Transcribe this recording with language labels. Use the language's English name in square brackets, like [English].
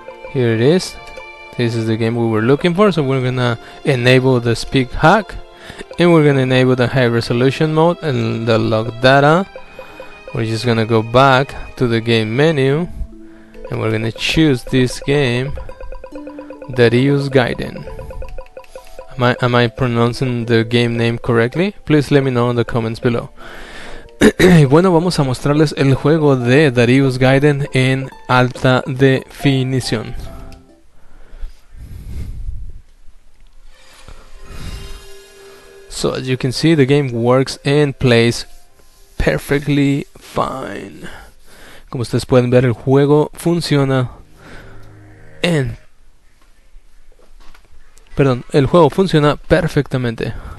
[English] Here it is. This is the game we were looking for, so we're gonna enable the speed hack and we're gonna enable the high resolution mode and the log data. We're just gonna go back to the game menu and we're gonna choose this game, Darius Gaiden. Am I pronouncing the game name correctly? Please let me know in the comments below. [Spanish] Bueno, vamos a mostrarles el juego de Darius Gaiden en alta definición. [English] So as you can see, the game works and plays perfectly fine. [Spanish] Como ustedes pueden ver, el juego funciona en Perdón, el juego funciona perfectamente.